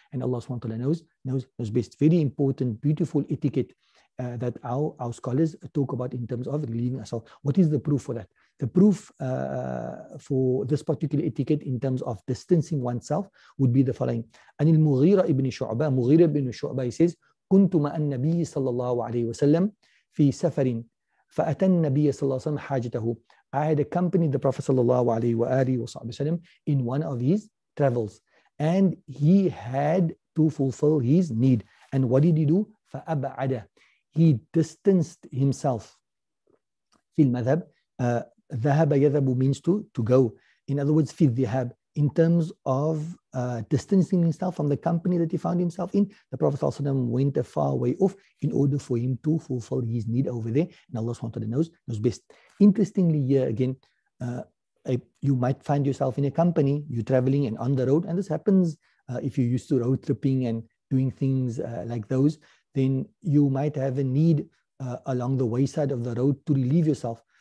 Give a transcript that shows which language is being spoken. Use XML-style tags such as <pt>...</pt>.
<en>And Allah SWT knows best. Very important, beautiful etiquette that our scholars talk about in terms of relieving ourselves. What is the proof for that? The proof for this particular etiquette in terms of distancing oneself would be the following. Anil Mughira ibn Shu'bah. Mughira ibn Shu'bah, he says,</en> <ar>كنت مع النبي صلى الله عليه وسلم في سفر فأتى النبي صلى الله عليه وسلم حاجته.</ar> <en>I had accompanied the Prophet صلى الله عليه وآله وسلم in one of his travels, and he had to fulfill his need. And what did he do?</en> <ar>فأبعد.</ar> <en>He distanced himself.</en> <ar>في المذهب ذهب يذهب</ar> <en>means to go. In other words,</en> <ar>في الذهاب.</ar> <en>In terms of distancing himself from the company that he found himself in, the Prophet ﷺ went a far way off in order for him to fulfill his need over there. And Allah SWT knows best. Interestingly, here again, you might find yourself in a company, you're traveling and on the road, and this happens if you're used to road tripping and doing things like those, then you might have a need along the wayside of the road to relieve yourself.</en>